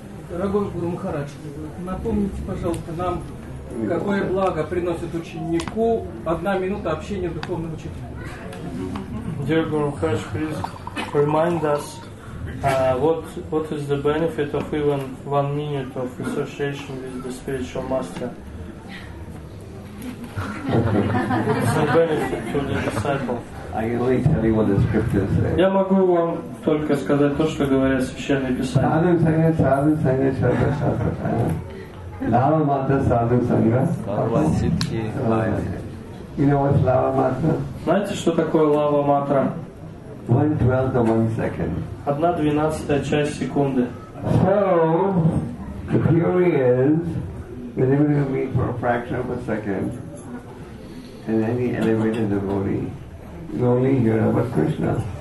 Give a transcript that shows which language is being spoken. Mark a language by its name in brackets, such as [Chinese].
[Russian] Дорогой Гуру Махарадж, напомните, пожалуйста, нам, какое благо приносит ученику одна минута общения духовного учителя. [English] Dear Guru Maharaj, please remind us what is the benefit of even 1 minute of association with the spiritual master? What is the benefit to the disciple? I can only tell you what the scriptures say. [Russian] Я могу вам только сказать то, что говорят священные писания. [Sanskrit] Садху санга, садху санга, садху санга. Лава мата, садху санга. Слава ситхи. [English] You know what's лава мата? [Russian] Знаете, что такое лава матра? [English] 1/12 of 1 second. [Russian] 1/12 секунды. [English] So the theory is that if you meet for a fraction of a second in any elevated devotee, you only hear about Krishna.